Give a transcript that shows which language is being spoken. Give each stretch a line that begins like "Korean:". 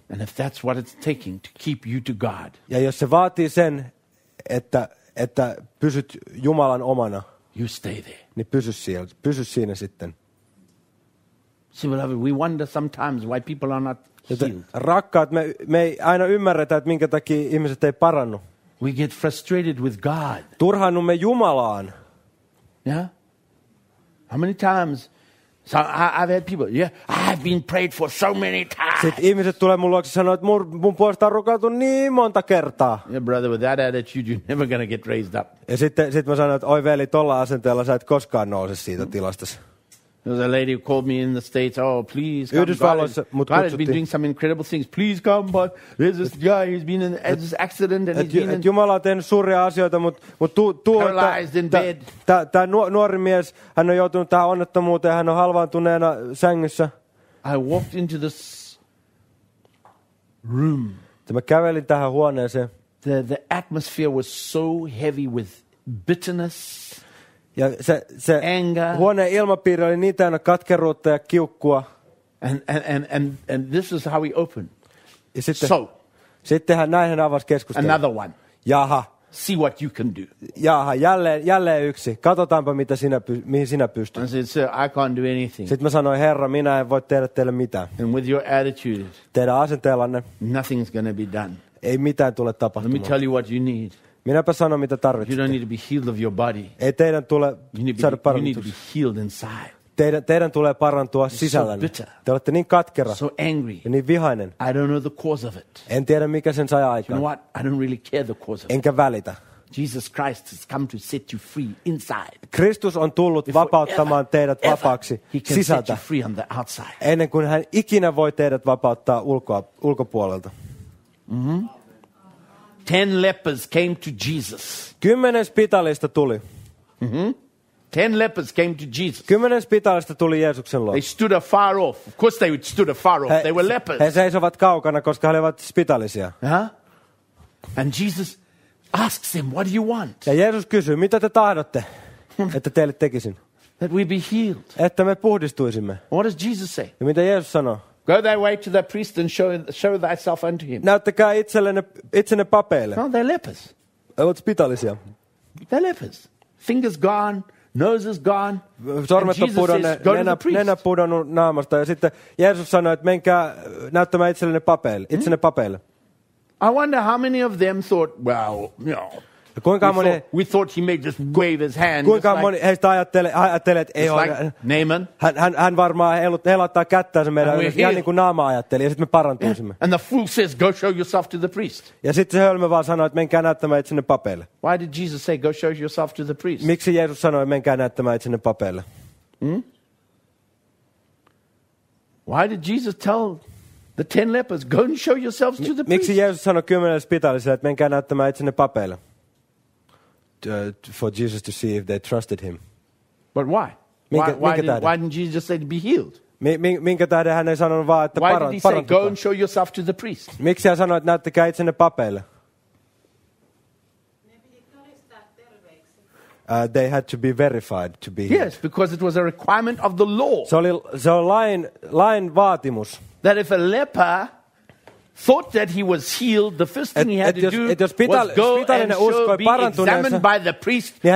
English: And if that's what it's taking to keep you to God.
Finnish: Ja jos se vaatii sen, että pysyt Jumalan omana,
English: you stay there.
Finnish: Niin pysy siinä sitten.
English: See, beloved, we wonder sometimes why people are not healed.
Finnish: Rakkaat, me ei aina ymmärretä, että minkä takia ihmiset ei parannu.
English: We get frustrated with God.
Finnish: Turhannumme Jumalaan.
English: Yeah? How many times? So I've had people, yeah, I've been prayed for so many times.
Finnish: Sitten ihmiset tulee mun luokse sanoo, että mun puolesta on rukoiltu niin monta kertaa.
English: Yeah, brother, with that attitude, you're never going to get raised up.
Finnish: Ja sitten mä sanoin, että oi veli, tolla asenteella sä et koskaan nouse siitä tilastasi.
English: There's a lady who called me in the States. Oh, please come. God has been doing some incredible things. Please come. But there's this guy who's been in this accident and he's been
Finnish: Jumala on tehnyt suuria asioita, mutta
English: paralyzed in bed.
Finnish: Tämä nuori mies, hän on joutunut tähän onnettomuuteen, hän on halvaantuneena sängyssä.
English: I walked into this room.
Finnish: Mä kävelin tähän huoneeseen.
English: The atmosphere was so heavy with bitterness.
Finnish: Ja se
English: anger.
Finnish: Huoneen ilmapiiri oli niin täynnä katkeruutta ja kiukkua.
English: And this is how we opened.
Finnish: Ja sitten,
English: so.
Finnish: Sittenhän näin hän avasi keskustelua.
English: Another one.
Finnish: Jaha.
English: See what you can do.
Finnish: Jaha, jälleen yksi. Katsotaanpa, mihin sinä pystyt.
English: And said, sir, I can't do anything.
Finnish: Sitten mä sanoin, Herra, minä en voi tehdä teille mitään.
English: And with your attitude.
Finnish: Teidän asenteellanne.
English: Nothing's gonna be done.
Finnish: Ei mitään tule tapahtumaan.
English: Let me tell you what you need.
Finnish: Minäpä sanon, mitä tarvitsette.
English: You don't need to be healed of your body.
Finnish: Ei teidän tule saada parantua.
English: You need to be healed inside.
Finnish: Teidän tulee parantua sisälläni.
English: You're so bitter.
Finnish: Te olette niin katkera.
English: So angry.
Finnish: Ja niin vihainen.
English: I don't know the cause of it.
Finnish: En tiedä, mikä sen sai aikaan.
English: You know what? I don't really care the cause of it.
Finnish: Enkä välitä.
English: Jesus Christ has come to set you free inside.
Finnish: Kristus on tullut vapauttamaan teidät vapaaksi sisältä.
English: He can set you free on the outside.
Finnish: Ennen kuin hän ikinä voi teidät vapauttaa ulkopuolelta.
English: Mm-hmm. 10 lepers came to Jesus.
Finnish: 10 spitalista tuli.
English: Mm-hmm. 10 lepers came to Jesus.
Finnish: 10 spitalista tuli Jeesuksen luo.
English: They stood afar off. Of course they stood afar off. They were lepers.
Finnish: He seisovat kaukana, koska he olivat spitalisia. Huh?
English: And Jesus asks him, what do you want?
Finnish: Ja Jeesus kysyy, mitä te tahdotte, että teille tekisin?
English: That we be healed.
Finnish: Että me puhdistuisimme.
English: What does Jesus say?
Finnish: Ja mitä Jeesus sanoo?
English: Go thy way to the priest and show thyself unto him.
Finnish: Näyttäkää itsenne papeille.
English: No, they're lepers.
Finnish: He ovat spitalisia.
English: They're lepers. Fingers gone, nose is gone.
Finnish: Sormet on pudonneet, nenä pudonnut naamasta. Ja sitten Jeesus sanoi, että menkää näyttämään itsenne papeille.
English: I wonder how many of them thought, well, you know, we thought he may just wave his hand.
Finnish: Kuinka moni heistä ajattelee, että ei ole. Naaman. Hän varmaan helottaa kättäänsä meidän ylös, ihan niin kuin naama ajatteli, ja sitten me parantuisimme.
English: And the fool says, go show yourself to the priest.
Finnish: Ja sitten se hölmö vaan sanoi, että menkää näyttämään itsenne papeille.
English: Why did Jesus say, go show yourself to the priest?
Finnish: Miksi Jeesus sanoi, että menkää näyttämään itsenne papeille?
English: Why did Jesus tell the 10 lepers, go and show yourselves to the priest.
Finnish: Miksi Jeesus sanoi 10 spitaalisille, että menkää näyttämään itsenne papeille?
English: For Jesus to see if they trusted him. But why? Why didn't Jesus say to be healed?
Finnish: Minkä tähden hän ei sanonut vaan, että parantukaa?
English: Why did he say, go and show yourself to the priest?
Finnish: Miksi hän sanoi, että näyttäkää itsenne papeille?
English: They had to be verified to be healed. Yes, because it was a requirement of the law.
Finnish: Se oli lain vaatimus.
English: That if a leper thought that he was healed, the first thing he had to do was go and be examined by the priest